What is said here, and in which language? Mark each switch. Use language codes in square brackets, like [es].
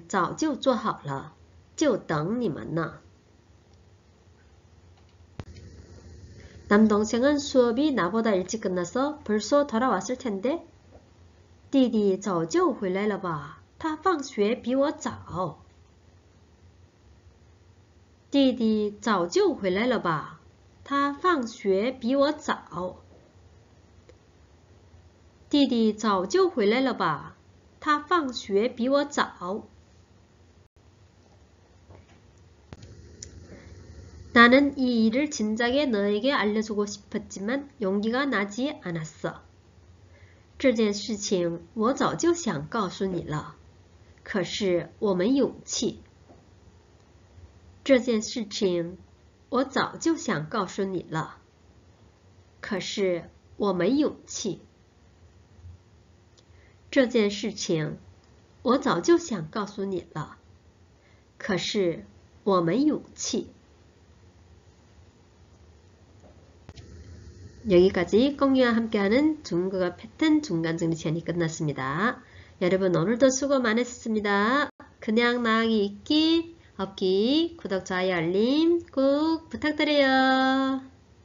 [zh] 晚饭早就做好了，就等你们呢。晚饭早就做好了，就等你们呢。 [ko] 남동생은 수업이 나보다 일찍 끝나서 벌써 돌아왔을 텐데. [zh] 弟弟早就回来了吧？他放学比我早。弟弟早就回来了吧？他放学比我早。弟弟早就回来了吧？他放学比我早。 [ko] 나는 이 일을 진작에 너에게 알려주고 싶었지만 용기가 나지 않았어. [zh] 这件事情我早就想告诉你了，可是我没勇气。这件事情我早就想告诉你了，可是我没勇气。这件事情我早就想告诉你了，可是我没勇气。 [ko] 여기까지 공유와 함께하는 중국어 패턴 중간 정리 시간이 끝났습니다. 여러분, 오늘도 수고 많으셨습니다. 그냥 나아가기 있기, 없기, 구독, 좋아요, 알림 꼭 부탁드려요.